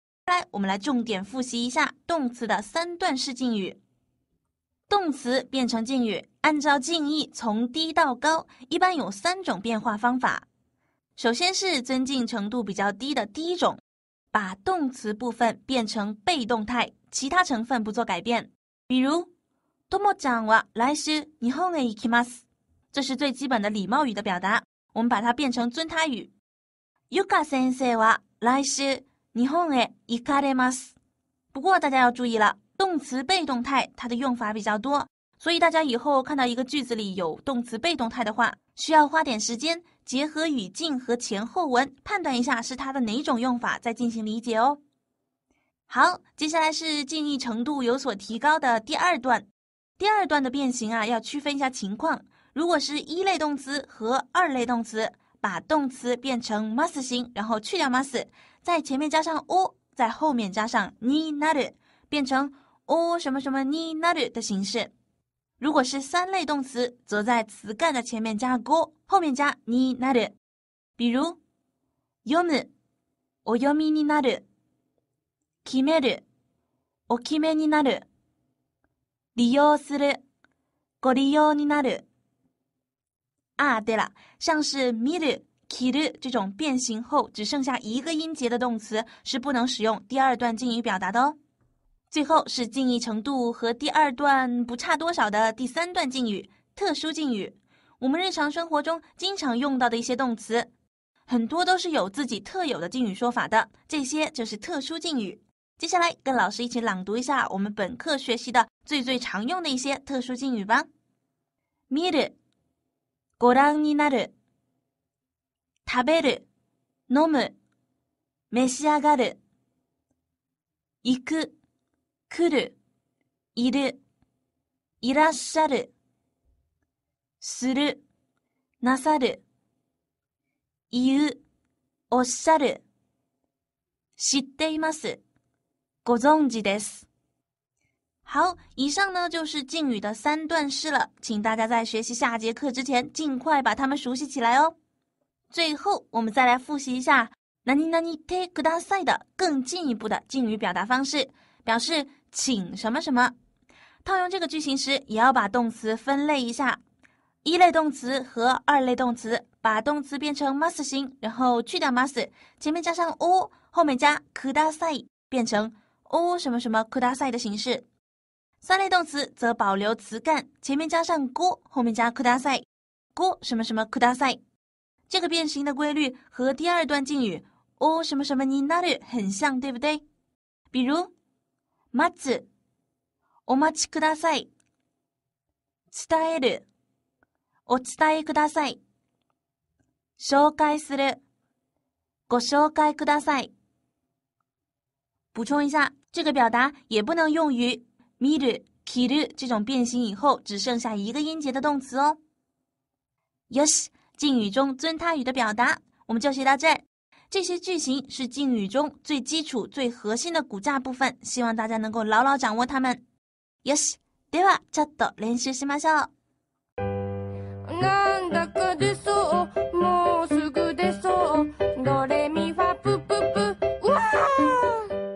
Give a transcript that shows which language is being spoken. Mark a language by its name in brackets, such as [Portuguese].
[Chinese] 来，我们来重点复习一下动词的三段式敬语。动词变成敬语，按照敬意从低到高，一般有三种变化方法。首先是尊敬程度比较低的第一种，把动词部分变成被动态，其他成分不做改变。比如 [Japanese] ともちゃんは来週日本へ行きます。 [Chinese] 这是最基本的礼貌语的表达，我们把它变成尊他语。 [Japanese] ゆか先生は来週日本へ行かれます。 [Chinese] 不过大家要注意了，动词被动态它的用法比较多，所以大家以后看到一个句子里有动词被动态的话，需要花点时间结合语境和前后文判断一下是它的哪种用法再进行理解哦。好，接下来是敬意程度有所提高的第二段。第二段的变形啊，要区分一下情况，如果是一类动词和二类动词，把动词变成 must 形，然后去掉 must， 在前面加上 o， 在后面加上 になる，变成哦什么什么になる的形式。如果是三类动词，则在词干的前面加語，后面加になる。 [Japanese] 比如読む、お読みになる、決める、お決めになる、利用する、ご利用になる。 [Chinese] 啊，对了，像是見る、切る这种变形后只剩下一个音节的动词，是不能使用第二段敬语表达的哦。最后是敬意程度和第二段不差多少的第三段敬语，特殊敬语。我们日常生活中经常用到的一些动词，很多都是有自己特有的敬语说法的，这些就是特殊敬语。接下来跟老师一起朗读一下我们本课学习的最最常用的一些特殊敬语吧。 [Japanese] 見る、ご覧になる、食べる、飲む、召し上がる、行く、来る、いる、いらっしゃる、する、なさる、言う、おっしゃる、知っています、ご存知です。 [Chinese] 好，以上呢就是敬语的三段式了，请大家在学习下节课之前尽快把它们熟悉起来哦。最后，我们再来复习一下何々てください的更进一步的敬语表达方式，表示请什么什么。套用这个句型时，也要把动词分类一下，一类动词和二类动词，把动词变成 must 形，然后去掉 must， 前面加上 お， 后面加 ください， 变成 お 什么什么 ください 的形式。三类动词则保留词干，前面加上 ご， 后面加 ください， ご 什么什么 ください。这个变形的规律和第二段敬语 お 什么什么になる很像，对不对？比如 [Japanese] 待つ、お待ちください、伝える、お伝えください、紹介する、ご紹介ください、 [Chinese] 补充一下，这个表达也不能用于見る、聞る这种变形以后只剩下一个音节的动词哦。よし、敬语中尊他语的表达我们就学到这儿。这些句型是敬语中最基础最核心的骨架部分，希望大家能够牢牢掌握它们。 [Japanese] よし、ではちょっと練習しましょう。なんだか出そう、もうすぐ出そう、ドレミファプププ、うわぁ。